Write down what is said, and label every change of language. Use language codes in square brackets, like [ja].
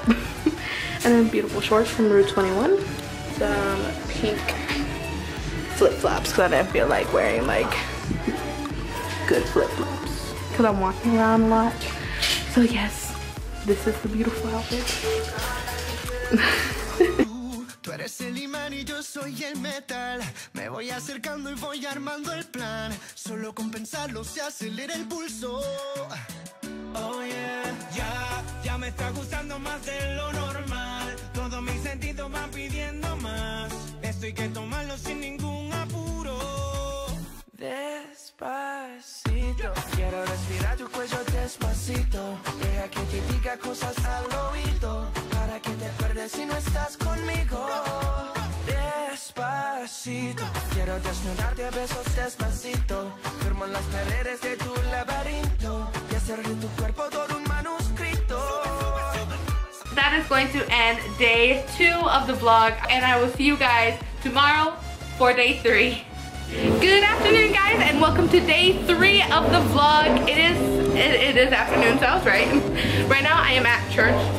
[en] And then beautiful shorts from Rue 21. Some pink flip-flops because I didn't feel like wearing like good flip-flops because I'm walking around a lot. So yes, this is the beautiful outfit. [es] Tú eres el imán y yo soy el metal. Me voy acercando y voy armando el plan. Solo con pensarlo se acelera el pulso. Oh yeah. Ya, ya me está gustando más de lo normal. Todos mis sentidos van pidiendo más. Esto hay que tomarlo sin ningún apuro. Despacito. Quiero respirar tu cuello despacito. Deja que te diga cosas al oído. Para que te pierdas si no estás conmigo. Despacito. Quiero desnudarte a besos despacito. Firmo las paredes de tu laberinto. Y hacer de tu cuerpo todo un manuscrito. [en] That is going to end day 2 of the vlog, and I will see you guys tomorrow for day 3. Good afternoon, guys, and welcome to day 3 of the vlog. It is afternoon, so I was right. Right now I am at church.